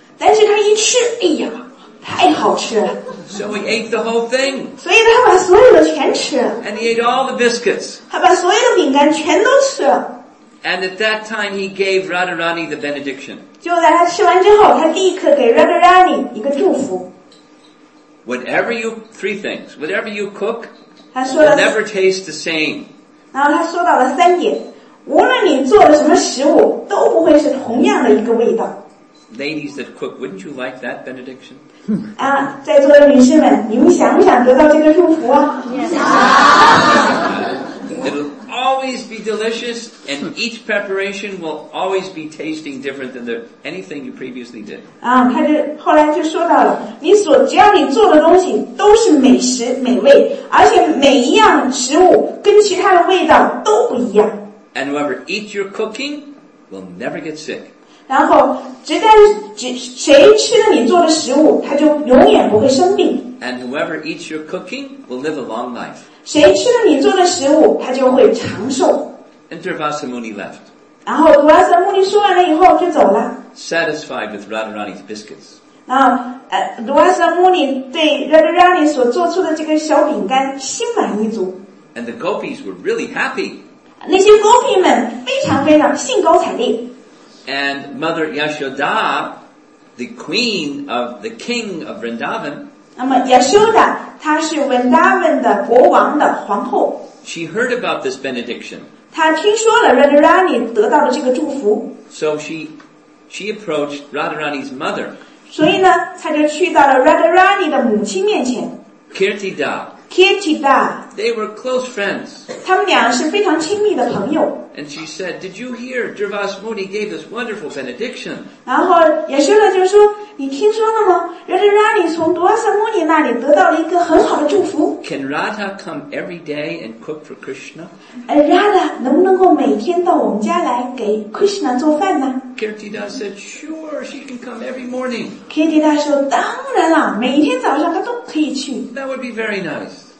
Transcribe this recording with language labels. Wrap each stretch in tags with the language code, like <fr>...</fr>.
<zh>但是他一吃，哎呀，太好吃了。</zh> <en>So he ate the whole thing.</en> <zh>所以他把所有的全吃。</zh> <en>And he ate all the biscuits.</en> <zh>他把所有的饼干全都吃了。</zh> <en>And at that time, he gave Radharani the benediction.</en> <zh>就在他吃完之后，他立刻给 Radharani 一个祝福。</zh> <en>Whatever you, three things. Whatever you cook,</en> <zh>他说了</zh> <en>you'll never taste the same.</en> <zh>然后他说到了三点，无论你做了什么食物，都不会是同样的一个味道。</zh> <en>Ladies that cook, wouldn't you like that benediction?</en> <zh>啊，在座的女士们，你们想不想得到这个祝福啊？</zh> <en>It'll always be delicious, and each preparation will always be tasting different than anything you previously did.</en> <zh>啊，他就后来就说到了，你所只要你做的东西都是美食美味，而且每一样食物跟其他的味道都不一样。</zh> <en>And whoever eats your cooking will never get sick.</en> <zh>然后只在只谁吃了你做的食物，他就永远不会生病。</zh> <en>And whoever eats your cooking will live a long life.</en> <zh>谁吃了你做的食物，他就会长寿。</zh> <en>And Durvasa Muni left.</en> <zh>然后 Durvasa Muni 说完了以后就走了。</zh> <en>Satisfied with Radharani's biscuits.</en> <zh>然后Durvasa Muni 对 Radharani 所做出的这个小饼干心满意足。</zh> <en>And the gopis were really happy.</en> <zh>那些 gopi 们非常非常兴高采烈。</zh> <en>And Mother Yashoda, the queen of the king of Vrindavan.</en> <zh>那么亚修达，她是文达文的国王的皇后。</zh> <en>She heard about this benediction.</en> <zh>她听说了 Radharani 得到了这个祝福。</zh> <en>So she approached Radharani's mother.</en> <zh>所以呢，她就去到了 Radharani 的母亲面前。</zh> <en>Kirtida.</en> <zh>Kirtida.</zh> <en>They were close friends.</en> <zh>他们俩是非常亲密的朋友。</zh> <en>And she said, "Did you hear Durvasa Muni gave this wonderful benediction?"</en> <zh>然后亚修达就说。你听说了吗？原来让你从多瑟穆尼那里得到了一个很好的祝福。</zh> <en>Can Radha come every day and cook for Krishna?</en> <zh>Radha 能不能够每天到我们家来给 Krishna 做饭呢？</zh> <en>Kirtida said, "Sure, she can come every morning."</en> <zh>Kirtida 说，当然了，每天早上她都可以去。</zh> <en>That would be very nice.</en>